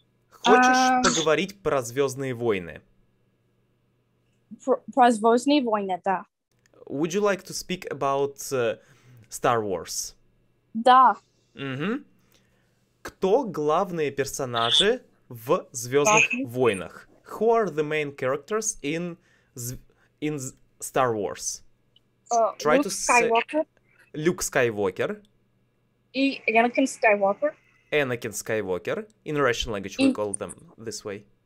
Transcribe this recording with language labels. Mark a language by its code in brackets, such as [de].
[ru] Хочешь поговорить про Звездные войны? Про Звездные войны, да. [en] Would you like to speak about Star Wars? [ru] Да. Mm-hmm. Кто главные персонажи в Звездных войнах? [en] Who are the main characters in Star Wars? Try Luke to say... Skywalker. Luke Skywalker. [ru] И Anakin Skywalker. [en] Anakin Skywalker. In Russian language, we call them this way.